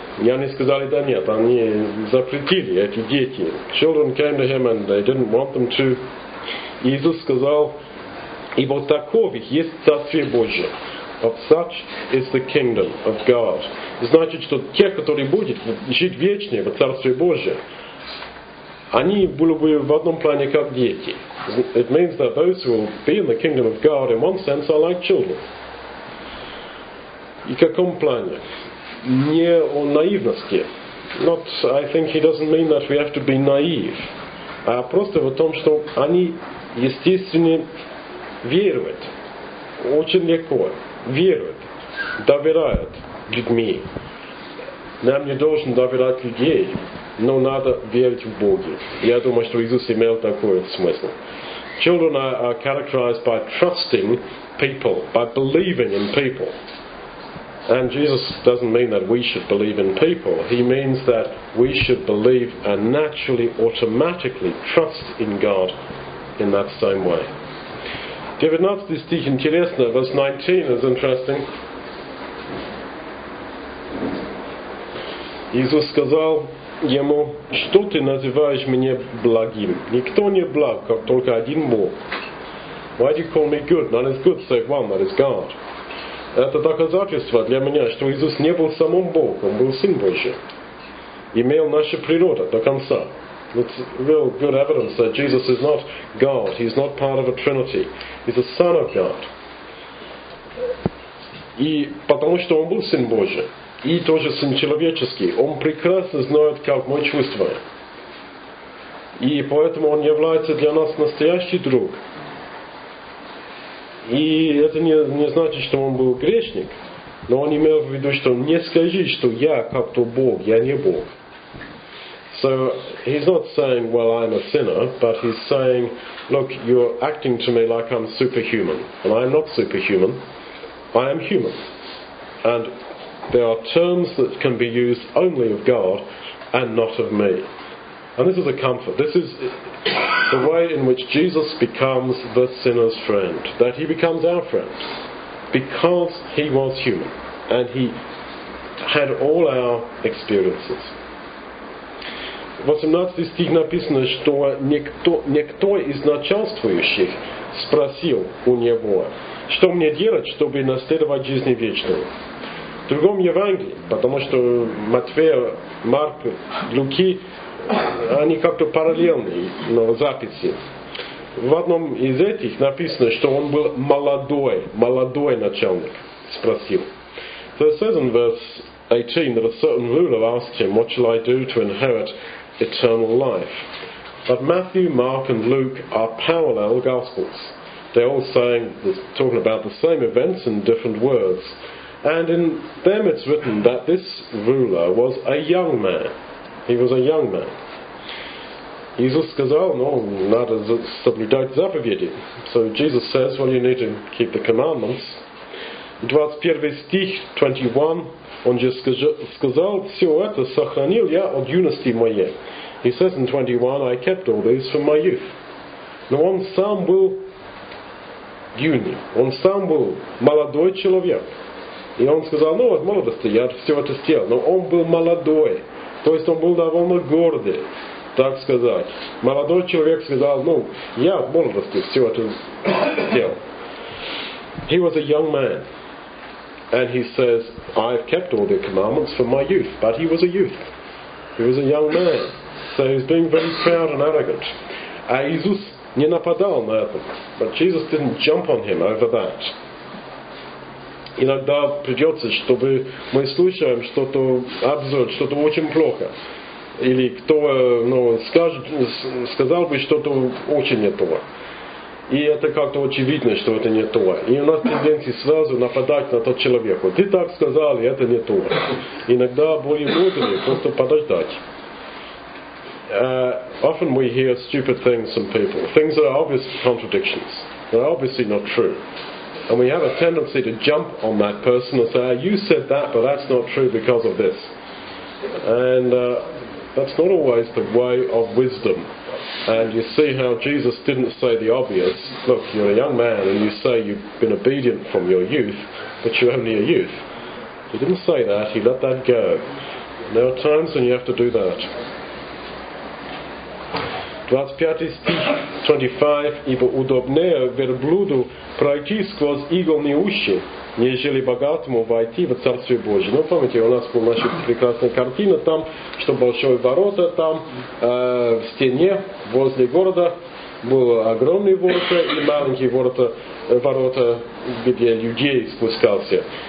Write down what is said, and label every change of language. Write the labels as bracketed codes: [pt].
[ru] И они сказали, да нет, они запретили, эти дети. [en] Children came to him and they didn't want them to. [ru] Иисус сказал, ибо таковы есть Царствие Божие. [en] Of such is the kingdom of God. [ru] Значит, что те, которые будут жить вечно в Царстве Божьем, они были бы в одном плане как дети. [en] It means that those who will be in the kingdom of God in one sense are like children. [ru] И в каком плане? Не о наивности. [en] Not, I think he doesn't mean that we have to be naive. [ru] А просто в том, что они естественно веруют. Очень легко. Веруют. Доверяют людьми. Нам не должен доверять людей, но надо верить в Бога. Я думаю, что Иисус имел такой смысл. [en] Children are characterized by trusting people, by believing in people. And Jesus doesn't mean that we should believe in people. He means that we should believe and naturally, automatically trust in God in that same way. [ru] 19 стих интересно, [en] verse 19 is interesting. [ru] Иисус сказал ему, что ты называешь меня благим? Никто не благ, как только один Бог. [en] Why do you call me good? None is good save one, that is God. [ru] Это доказательство для меня, что Иисус не был самим Богом, он был Сын Божий. Имел нашу природу до конца. [en] It's real good evidence that Jesus is not God, he's not part of a Trinity. He's a Son of God. [ru] И потому что он был Сын Божий, и тоже Сын Человеческий, он прекрасно знает, как мы чувствуем. И поэтому он является для нас настоящий друг. И это не значит, что он был грешник, но он имел в виду, что не скажи, что я как-то Бог, я не Бог. [en] So he's not saying, well, I'm a sinner, but he's saying, look, you're acting to me like I'm superhuman, and I'm not superhuman. I am human. And there are terms that can be used only of God and not of me. And this is a comfort. This is the way in which Jesus becomes the sinner's friend, that he becomes our friend, because he was human and he had all our experiences. [ru] В 18 стих написано, что никто из начальствующих спросил у него, что мне делать, чтобы наследовать жизнь вечную. В другом Евангелии, потому что Матфея, Марк, Луки, они как-то параллельны, но записи. В одном из этих написано, что он был молодой начальник, спросил. [en] So it says in verse 18 that a certain ruler asked him, what shall I do to inherit eternal life? But Matthew, Mark and Luke are parallel gospels. They're all saying, talking about the same events in different words. And in them it's written that this ruler was a young man. He was a young man. [ru] Иисус сказал, ну, надо соблюдать заповеди. [en] So Jesus says, well, you need to keep the commandments. [ru] 21 стих, 21, он же сказал, все это сохранил я от юности моей. [en] He says in 21, I kept all these from my youth. [ru] Но он сам был юный, он сам был молодой человек. И он сказал, ну, от молодости я все это сделал, но он был молодой. То есть он был довольно гордый, так сказать. Молодой человек сказал, ну, я в молодости все это сделал. [en] He was a young man. And he says, I've kept all the commandments from my youth. But he was a youth. He was a young man. So he's being very proud and arrogant. [ru] А Иисус не нападал на это. [en] But Jesus didn't jump on him over that. [ru] Иногда придется, чтобы мы слушаем что-то абсурд, что-то очень плохо. Или кто ну, сказал бы что-то очень не то. И это как-то очевидно, что это не то. И у нас тенденция сразу нападать на тот человек. Ты так сказал, и это не то. Иногда более мудрее просто подождать. [en] Often we hear stupid things from people. Things that are obvious contradictions. They're obviously not true. And we have a tendency to jump on that person and say, you said that, but that's not true because of this. And that's not always the way of wisdom. And you see how Jesus didn't say the obvious. Look, you're a young man and you say you've been obedient from your youth, but you're only a youth. He didn't say that. He let that go. There are times when you have to do that. [ru] 25 стих, 25, ибо удобнее верблюду пройти сквозь игольные уши, нежели богатому войти в Царствие Божие. Ну, помните, у нас была наша прекрасная картина там, что большое ворота там, в стене возле города, было огромные ворота и маленькие ворота, ворота, где людей спускался.